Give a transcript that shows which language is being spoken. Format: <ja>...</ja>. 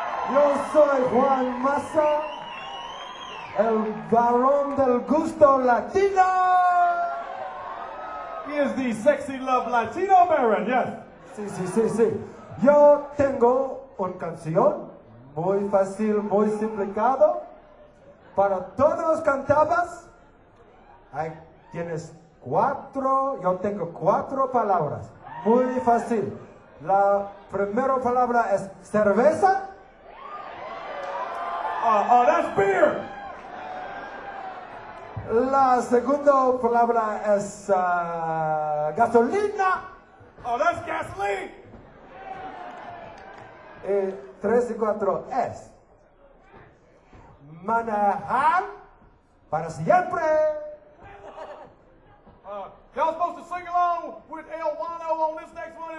<es>Yo soy Juan Massa, el barón del gusto latino.</es> <en>He is the sexy love latino baron, yes.</en> <es>Sí, sí, sí, sí. Yo tengo una canción muy fácil, muy simplicado. para todos los cantabas, ahí tienes cuatro, yo tengo cuatro palabras. Muy fácil. La primera palabra es cerveza.</es> <en>That's beer.</en> <es>La segunda palabra es gasolina.</es> <en>That's gasoline.</en> <es>Y tres y cuatro es manejar para siempre.</es> <en>Y'all supposed to sing along with El Wano on this next one.</en>